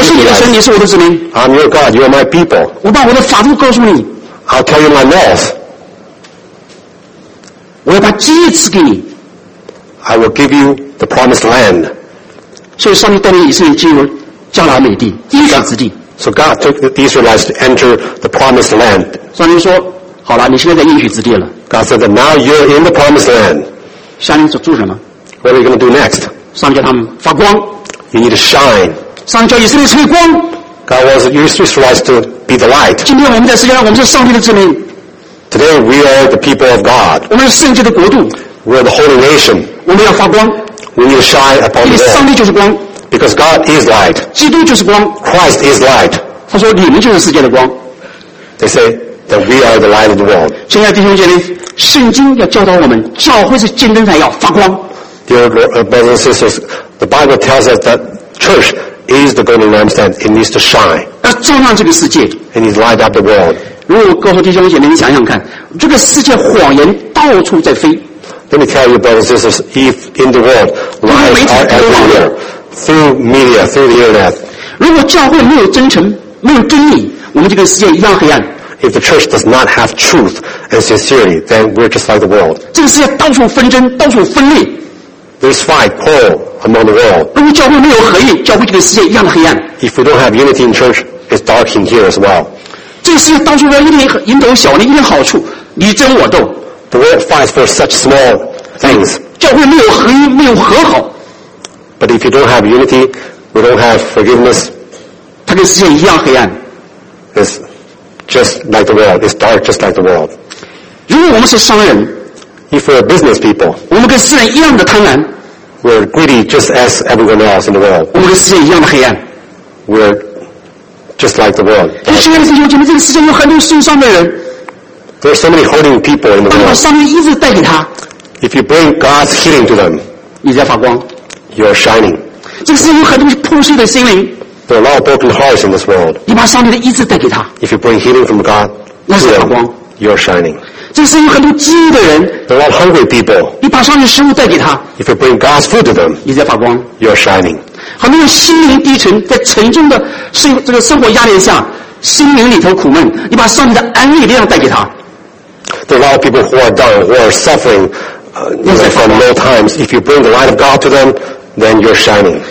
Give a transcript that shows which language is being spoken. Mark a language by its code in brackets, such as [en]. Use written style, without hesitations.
[zh] 我是你的神，你是我的子民。 [en] I'm your God. You are my people. [zh] 我把我的法度告诉你。 [en] I'll tell you my laws. [zh] 我要把基业赐给你。 [en] I will give you the promised land. [zh] 所以上帝带领以色列进入迦南美地，应许之地。 [en] So God took the Israelites to enter the promised land. [zh] 上帝说：“好了，你现在在应许之地了。” [en] God said that now you're in the promised land. [zh] 下面做什么？ [en] What are you going to do next? [zh] 上帝叫他们发光。 [en] You need to shine. [zh] 上帝叫以色列成为光。 [en] God wants the Israelites to be the light. [zh] 今天我们在世界上，我们是上帝的子民。 [en] Today we are the people of God. [zh] 我们是圣洁的国度。 [en] We are the holy nation. [zh] 我们要发光。 [en] We need to shine upon the world. [zh] 上帝就是光。 [en] Because God is light. [zh] 基督就是光。 [en] Christ is light. [zh] 他说你们就是世界的光。 [en] They say that we are the light of the world. [zh] 亲爱的弟兄姐妹，圣经要教导我们，教会是金灯台，要发光。 [en] Dear brothers and sisters, the Bible tells us that church is the golden lampstand. It needs to shine. [zh] 要照亮这个世界。 [en] It needs to light up the world. [zh] 如果告诉弟兄姐妹，你想想看，这个世界谎言到处在飞。 [en] Let me tell you, brothers and sisters, if in the world lies are everywhere, through media, through the internet. [zh] 如果教会没有真诚，没有真理，我们这个世界一样黑暗。 [en] If the church does not have truth and sincerity, then we're just like the world. [zh] 这个世界到处纷争，到处分裂。 [en] There's fight, quarrel among the world. [zh] 如果教会没有合一，教会这个世界一样黑暗。 [en] If we don't have unity in church, it's dark in here as well. [zh] 这个世界到处为了蝇头小利、一点好处，你争我斗。 [en] The world fights for such small things. [zh] 教会没有合一，没有和好。 [en] But if you don't have unity, we don't have forgiveness. [zh] 它跟世界一样黑暗。 [en] It's just like the world. It's dark, just like the world. [zh] 如果我们是商人 [en] ，if we're business people, [zh] 我们跟世人一样的贪婪。 [en] We're greedy, just as everyone else in the world. [zh] 我们跟世界一样的黑暗。 [en] We're just like the world. [zh] 但是亲爱的弟兄姐妹，这个世界有很多受伤的人。 [en] There are so many hurting people in the world. [zh] 当你把上帝医治带给他 [en] ，If you bring God's healing to them, [zh] 你在发光 [en] ，You're shining. [zh] 这个世界有很多破碎的心灵。 [en] There are a lot of broken hearts in this world. [zh] 你把上帝的医治带给他 [en] ，If you bring healing from God, [zh] 那是发光 [en] ，You're shining. [zh] 这个世界有很多饥饿的人 [en] ，There are a lot of hungry people. [zh] 你把上帝的食物带给他 [en] ，If you bring God's food to them, [zh] 你在发光 [en] ，You're shining. [zh] 很多人心灵低沉，在沉重的这个生活压力下，心灵里头苦闷。你把上帝的安慰力量带给他。 [en] There are a lot of people who are down, who are suffering, you know, from low times. If you bring the light of God to them, then you're shining.